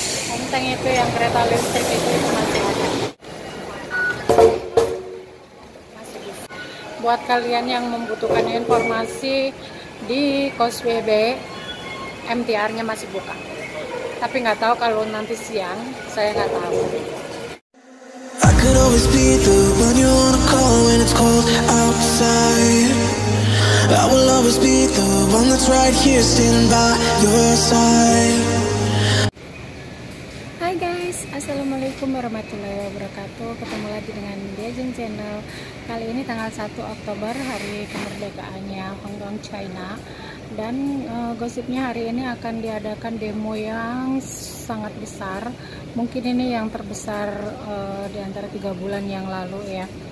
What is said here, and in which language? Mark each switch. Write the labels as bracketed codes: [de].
[id] Teng-teng itu yang kereta listrik itu masih ada. Masih bis. Buat kalian yang membutuhkan informasi di Causeway Bay, MTR-nya masih buka. Tapi nggak tahu kalau nanti siang, saya nggak tahu. [en] Always be the one you wanna call when it's cold outside. I will always be the one that's right here standing by your side. Hi guys, [id] assalamualaikum warahmatullahi wabarakatuh. Ketemu lagi dengan Diajeng Channel. Kali ini tanggal 1 Oktober, hari kemerdekaannya Hong Kong China. Dan gosipnya hari ini akan diadakan demo yang sangat besar. Mungkin ini yang terbesar di antara 3 bulan yang lalu ya.